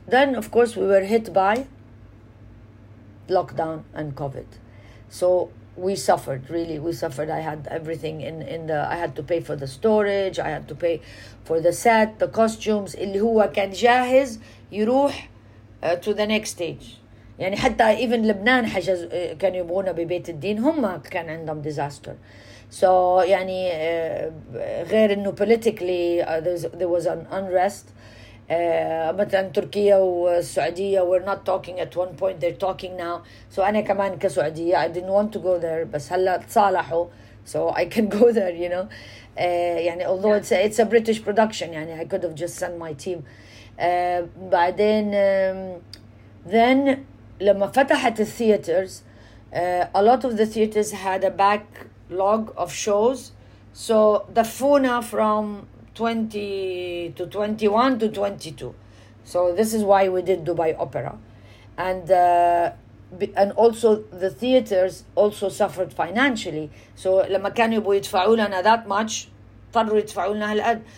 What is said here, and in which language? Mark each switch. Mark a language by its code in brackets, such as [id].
[en] Then of course we were hit by lockdown and COVID. So we suffered, really. We suffered. I had everything in the... I had to pay for the storage. I had to pay for the set, the costumes. [ar] اللي هو كان جاهز يروح [en] to the next stage. [ar] يعني حتى even لبنان حجز كانوا يبغونا ببيت الدين. هم كان عندهم disaster. [en] So, [ar] يعني غير انه [en] politically there was an unrest. [ar] مثلا تركيا والسعودية [en] were not talking at one point, they're talking now. So [ar] أنا كمان كسعودية [en] I didn't want to go there, [ar] بس هلا تصالحوا [en] so I can go there, you know. [ar] يعني [en] although yeah. it's a British production, يعني I could have just sent my team. بعدين then [ar] لما فتحت الثياترز [en] a lot of the theaters had a backlog of shows, so the funa from 20 to 21 to 22, so this is why we did Dubai Opera, and also the theaters also suffered financially. [ar] So لما كانوا يبغوا يدفعوا لنا [en] that much, [ar] اضطروا يدفعوا لنا هالقد.